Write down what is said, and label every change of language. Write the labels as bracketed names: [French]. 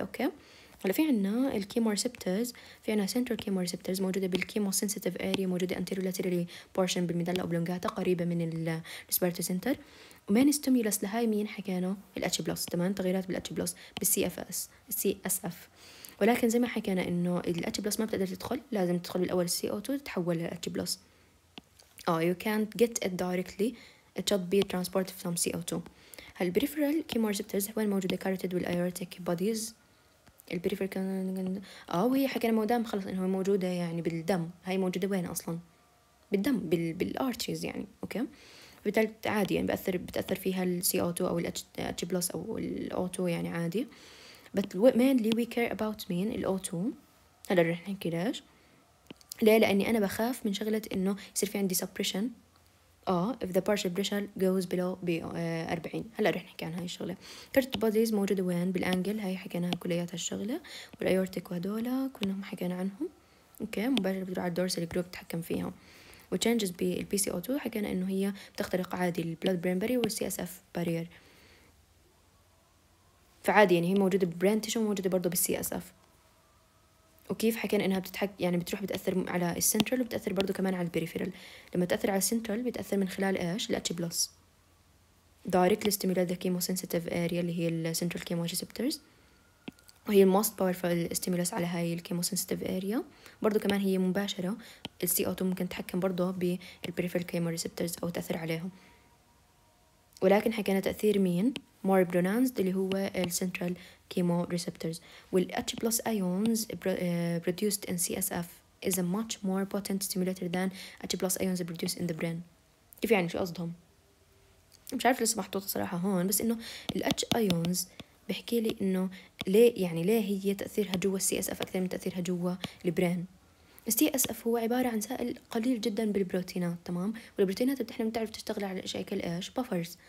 [Arabic] أوكي, هلا في عنا الكيمو ريسبتورز, في عنا سنترال كيمو ريسبتورز موجودة بالكيمو سينسيتيف أريا, موجودة أنتيرو لاترالي بورشن بالميدالة أوبلونجاتا قريبة من الريسبيرتوري سنتر. ومين ستيمولس لهاي مين حكينا؟ الاتش بلس. تمام, تغيرات بالاتش بلس بالسي اف اس سي اس اف. ولكن زي ما حكينا إنه الاتش بلس ما بتقدر تدخل, لازم تدخل بالأول السي او 2 تتحول للاتش بلس. [English] You can't get it directly, it should be transported from CO2. [Arabic] هل peripheral chemoreceptors هو الموجودة carotid والaortic bodies ال peripheral وهي حكينا مودام خلص إنها موجودة يعني بالدم. هاي موجودة وين أصلا؟ بالدم بال arteries يعني. أوكي, بتأثر عادي يعني بتأثر فيها ال CO2 أو ال H plus أو ال O2 يعني عادي. [English] but mainly we care about mean ال O2. [Arabic] هلا رح نحكي ليش. ليه؟ لأني أنا بخاف من شغلة إنه يصير في عندي [English] suppression if the partial pressure goes below 40. [Arabic] هلا رح نحكي عن هاي الشغله. كارت بوديز موجوده وين؟ بالانجل. هاي حكيناها كليات هالشغله. والايورتيك وهدول كلهم حكينا عنهم. اوكي, مباشره بتروح على الدورسال جروب تتحكم فيها. وتشنجز بالبي سي او 2 حكينا انه هي بتخترق عادي البلود برين بارير والسي اس اف بارير, فعادي يعني هي موجوده بالبرين تيشو وموجوده برضه بالسي اس اف. وكيف حكينا انها بتتحك يعني بتروح بتاثر على السنترال وبتاثر برضو كمان على البريفيرال. لما تاثر على السنترال بتاثر من خلال ايش؟ الاتش بلس دايركت ستيمولات ذا كيمو سنسيتيف اريا اللي هي السنترال كيمو ريسبتورز, وهي الموست باورفل ستيمولس على هاي الكيمو سنسيتيف اريا. برضو كمان هي مباشره السي او 2 ممكن تتحكم برضو بالبريفيرال كيمو ريسبتورز او تاثر عليهم. ولكن حكينا تاثير مين [English] more pronounced [Arabic] اللي هو ال central chemo receptors. [English] وال H plus ions produced in CSF is a much more potent stimulator than H plus ions produced in the brain. [Arabic] كيف يعني؟ شو قصدهم؟ مش عارف لسه محطوطة صراحة هون, بس إنه ال H ions بحكي لي إنه ليه يعني ليه هي تأثيرها جوا CSF أكثر من تأثيرها جوا البرين. CSF هو عبارة عن سائل قليل جدا بالبروتينات. تمام, والبروتينات بتحنا بتعرف تشتغل على أشياء كالإيش buffers.